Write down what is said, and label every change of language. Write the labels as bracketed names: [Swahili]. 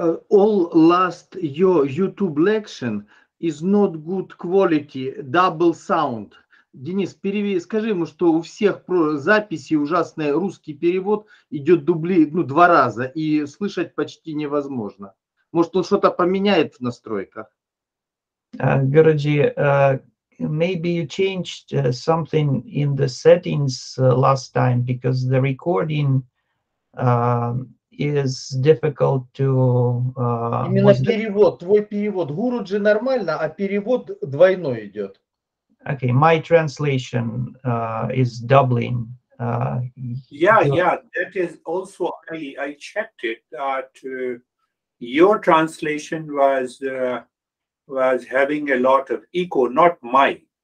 [English] All last your YouTube lesson is not good quality, double sound. [Russian] Денис, скажи ему, что у всех записи ужасный русский перевод, идет два раза, и слышать почти невозможно. Может, он что-то поменяет в настройках? [English] Guruji, maybe you changed something in the settings last time, because the recording is difficult to... [Russian] Именно перевод, твой перевод. Guruji нормально, а перевод двойной идет. [English] Okay, my translation is doubling. That is also, I checked it, that your translation was having a lot of echo, not mine.